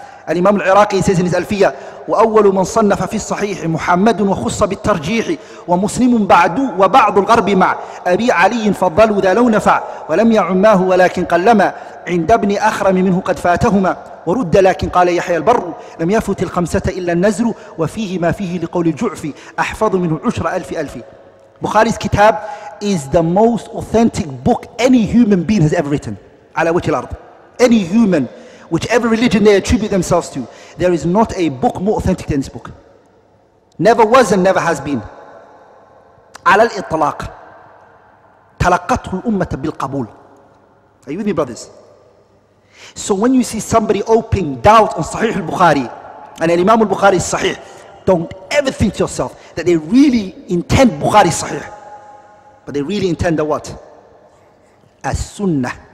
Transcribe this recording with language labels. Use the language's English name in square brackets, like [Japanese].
[English] Al-Imam al-Iraqi says in his Alfiyah, [Arabic] وَأَوَّلُ مَنْ صَنَّفَ فِي الصَّحِيحِ مُحَمَّدٌ وَخُصَّ بِالتَّرْجِيحِ وَمُسْلِمٌ بَعْدُ وَبَعْضُ الْغَرْبِ مَعْ أَبِي عَلِيٍّ فَضَّلُوا ذَا لَوْ نَفَعْ وَلَمْ يَعُمَّاهُ وَلَكِنْ قَلَّمَا عِنْدَ ابْنِ أَخْرَمِ مِنْهُ قَدْ فَاتَهُمَا ورد لكن قال يحيى البر لم يفوت الخمسة إلا النزر وفيه ما فيه لقول الجعفي أحفظ منه عشر ألف ألف. [English] Bukhari's kitab is the most authentic book any human being has ever written [Arabic] على وجه الأرض. [English] Any human, whichever religion they attribute themselves to, there is not a book more authentic than this book. Never was and never has been. [Arabic] على الإطلاق تلقته الأمة بالقبول. [English] Are you with me, brothers? So when you see somebody opening doubt on Sahih al-Bukhari and Imam al-Bukhari is Sahih, don't ever think to yourself that they really intend Bukhari Sahih. But they really intend the what? As-Sunnah.